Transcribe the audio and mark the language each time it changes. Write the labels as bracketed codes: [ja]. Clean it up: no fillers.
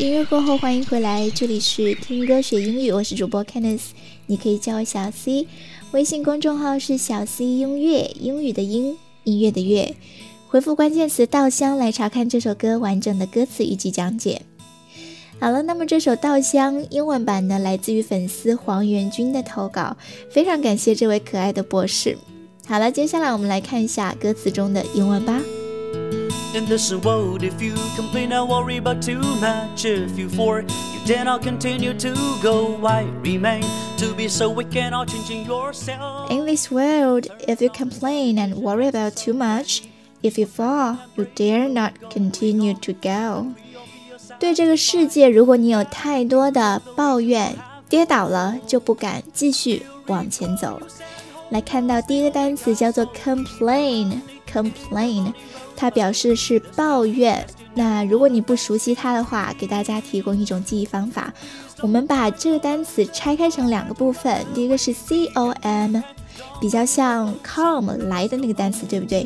[zh] 过后欢迎回来，这里是听歌学英语，我是主播 Kenneth， 你可以叫我小 C， 微信公众号是小 C 音乐，英语的英，音乐的乐，回复关键词稻香来查看这首歌完整的歌词以及讲解。好了，那么这首《稻香》英文版呢，来自于粉丝黄元君的投稿，非常感谢这位可爱的博士。好了，接下来我们来看一下歌词中的英文吧。 [en] In this world, if you complain and worry about too much, if you fall, you dare not continue to go, why remain to be so weak and all changing yourself? In this world, if you complain and worry about too much, if you fall, you dare not continue to go. [zh] 对这个世界，如果你有太多的抱怨，跌倒了就不敢继续往前走了。来看到第一个单词叫做 complain， 它表示是抱怨。那如果你不熟悉它的话，给大家提供一种记忆方法，我们把这个单词拆开成两个部分，第一个是 com， 比较像 com 来的那个单词，对不对？